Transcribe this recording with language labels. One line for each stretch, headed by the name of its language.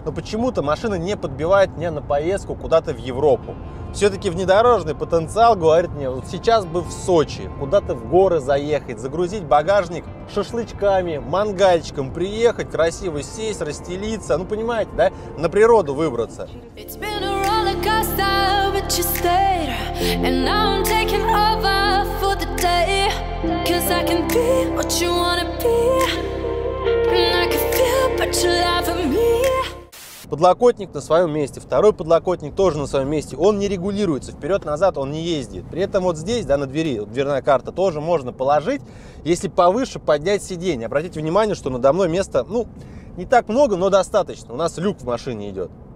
Russian: Но почему-то машина не подбивает меня на поездку куда-то в Европу. Все-таки внедорожный потенциал говорит мне, вот сейчас бы в Сочи, куда-то в горы заехать, загрузить багажник шашлычками, мангальчиком, приехать, красиво сесть, расстелиться, ну понимаете, да, на природу выбраться.
English: It's been a roller coaster, but you stayed, and now I'm taking over for the day, cause I can be what you wanna be, and I can feel what you love for me.
Russian: Подлокотник на своем месте, второй подлокотник тоже на своем месте, он не регулируется, вперед-назад он не ездит. При этом вот здесь, да, на двери, вот дверная карта тоже можно положить, если повыше поднять сиденье. Обратите внимание, что надо мной места, ну, не так много, но достаточно, у нас люк в машине идет.